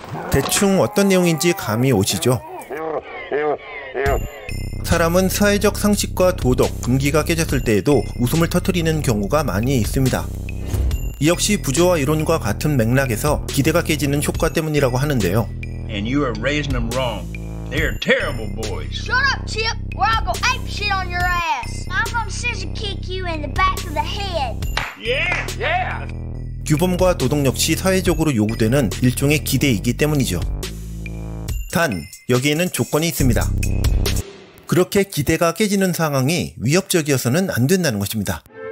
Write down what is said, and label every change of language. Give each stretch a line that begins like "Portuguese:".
Korean: 대충 어떤 내용인지 감이 오시죠? 사람은 사회적 상식과 도덕, 금기가 깨졌을 때에도 웃음을 터뜨리는 경우가 많이 있습니다. 이 역시 부조화 이론과 같은 맥락에서 기대가 깨지는 효과 때문이라고 하는데요.
English: And you are raising them wrong. They're terrible boys. Shut up, Chip, or I'll go ape shit on your ass. I'm gonna scissor kick you in the back of the head. Yeah, yeah.
Korean: 규범과 도덕 역시 사회적으로 요구되는 일종의 기대이기 때문이죠. 단, 여기에는 조건이 있습니다. 그렇게 기대가 깨지는 상황이 위협적이어서는 안 된다는 것입니다.